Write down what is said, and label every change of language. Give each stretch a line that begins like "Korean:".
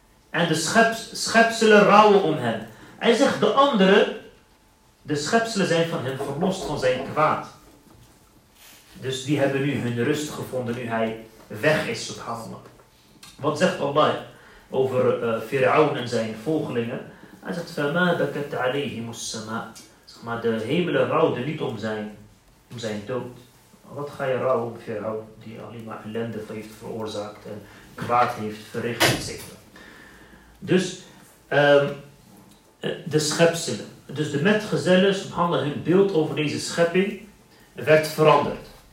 Dutch: En de schepselen rouwen om hem. Hij zegt, de andere, de schepselen zijn van hem verlost van zijn kwaad. Dus die hebben nu hun rust gevonden nu hij weg is, subhanallah. Wat zegt Allah over Fir'aun en zijn volgelingen? Hij zegt,
Arabic: فَمَا بَكَتْ عَلَيْهِمُ السَّمَاءِ.
Dutch: Zeg maar, de hemelen rouwden niet om zijn dood. Wat ga je rouwen om Fir'aun, die alleen maar ellende heeft veroorzaakt en kwaad heeft verricht, etc. Dus, de schepselen. Dus de metgezellen, subhanallah, hun beeld over deze schepping werd veranderd.